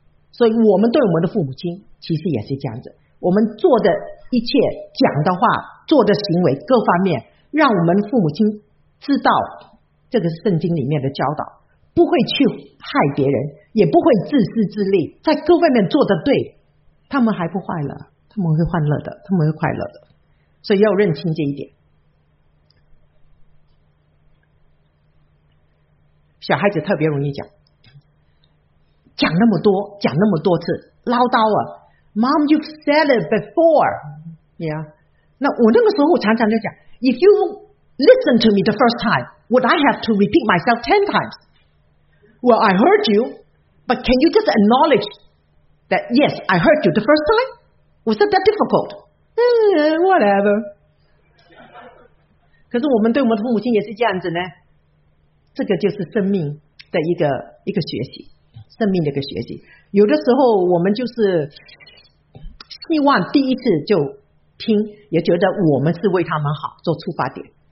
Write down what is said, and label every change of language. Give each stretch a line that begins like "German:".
Chinese: 所以我们对我们的父母亲其实也是这样子，我们做的一切，讲的话，做的行为，各方面让我们父母亲知道，这个是圣经里面的教导，不会去害别人，也不会自私自利，在各方面做的对，他们还不坏了，他们会欢乐的，他们会快乐的。所以要认清这一点。小孩子特别容易讲，讲那么多，讲那么多次，唠叨啊。
English: Mom, you've said it before. Yeah.
Chinese: 那我那个时候常常就讲
English: ,If you listen to me the first time, would I have to repeat myself 10 times? Well, I heard you, but can you just acknowledge that yes, I heard you the first time? Was that difficult? Whatever.
Chinese: 可是我们对我们的父母亲也是这样子呢。这个就是生命的一个学习。生命的一个学习，有的时候我们就是希望第一次就听，也觉得我们是为他们好做出发点。